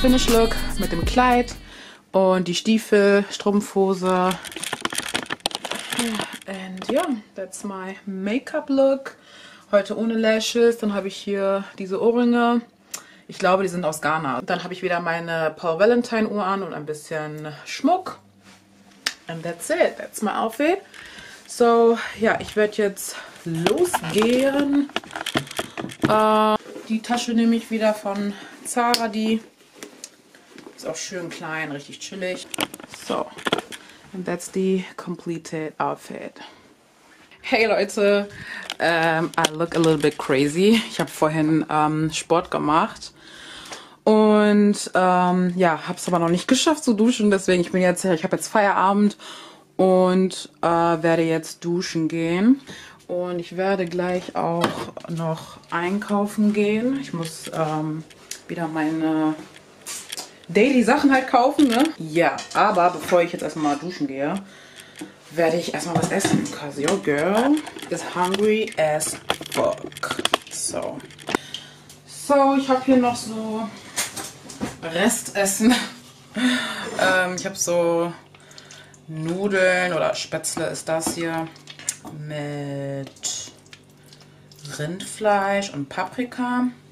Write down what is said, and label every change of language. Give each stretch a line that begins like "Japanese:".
German: Look mit dem Kleid und die Stiefel, Strumpfhose.
English: And yeah, that's my Make-up look.
German: Heute ohne Lashes, dann habe ich hier diese Ohrringe. Ich glaube, die sind aus Ghana. Dann habe ich wieder meine Paul Valentine Uhr an und ein bisschen Schmuck.
English: And that's it, that's my outfit.
German: So, ja, ich werde jetzt losgehen. Die Tasche nehme ich wieder von Zara, die ist auch schön klein, richtig chillig.
English: So, and that's the completed outfit.
German: Hey Leute,
English: I look a little bit crazy.
German: Ich habe vorhin Sport gemacht und ja, habe es aber noch nicht geschafft zu duschen. Deswegen, ich habe jetzt Feierabend und werde jetzt duschen gehen. Und ich werde gleich auch noch einkaufen gehen. Ich muss wieder meine Daily Sachen halt kaufen, ne? Ja, aber bevor ich jetzt erstmal duschen gehe, werde ich erstmal was essen.
English: Because your girl is hungry as fuck. So.
German: So, ich habe hier noch so Restessen. ich habe so Nudeln oder Spätzle ist das hier. Mit Rindfleisch und Paprika.